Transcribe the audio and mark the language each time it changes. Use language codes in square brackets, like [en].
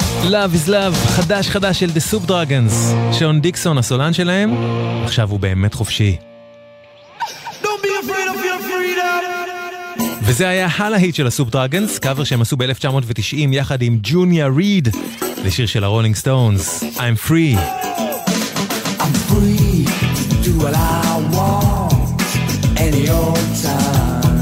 [he] Love is Love, חדש חדש של The Soup Dragons. שון דיקסון, הסולן שלהם, עכשיו הוא באמת חופשי. [en] Don't be afraid of your freedom. [he] וזה היה הלהיט של הסופ דרגנס, קאבר שהם עשו ב-1990 יחד עם ג'וניה ריד, לשיר של הרולינג סטונס, I'm free. [en] I'm free to do what I want any old time.